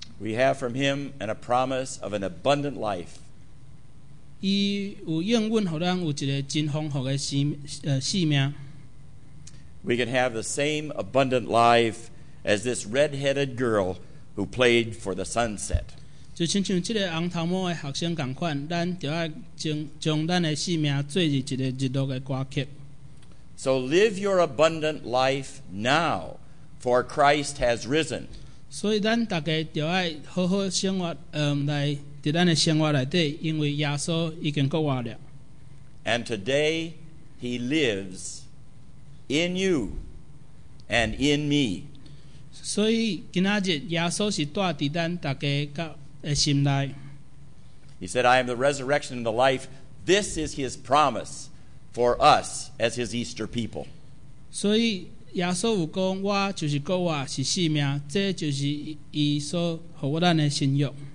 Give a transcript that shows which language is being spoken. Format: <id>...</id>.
<en>We have from Him and a promise of an abundant life. He has given us a very abundant life. We can have the same abundant life as this red-headed girl. Who played for the sunset?</en> <nan>就亲像这个红头毛的学生同款，咱就要将咱的生命做入一个日落的歌曲。</nan> <en>So live your abundant life now, for Christ has risen.</en> <nan>所以咱大家就要好好生活，来在咱的生活里底，因为耶稣已经复活了。</nan> <en>And today He lives in you and in me.</en> <nan>所以今仔日耶稣是住伫咱大家的心内。</nan> <en>He said, "I am the resurrection and the life." This is His promise for us as His Easter people.</en> <nan>所以耶稣有讲，我就是复活，是生命，这就是伊所给我咱的信仰。</nan>